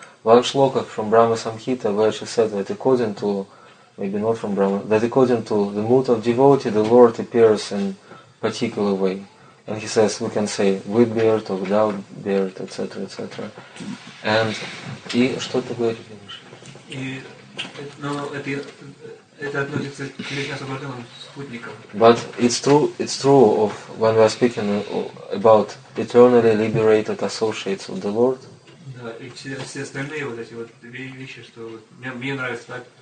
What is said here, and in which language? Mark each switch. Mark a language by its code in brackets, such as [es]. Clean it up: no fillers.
[en] One shloka from Brahmasamhita where she said that according to maybe not from Brahma, that according to the mood of devotee, the Lord appears in particular way. And he says, we can say, with beard or without beard, etc., etc. [ru] And, и что ты говоришь? И, ну, это относится к личным освобожденным спутникам. [en] But it's true of when we are speaking about eternally liberated associates of the Lord. [ru] Да, и все остальные вот эти вот вещи, что мне нравится так,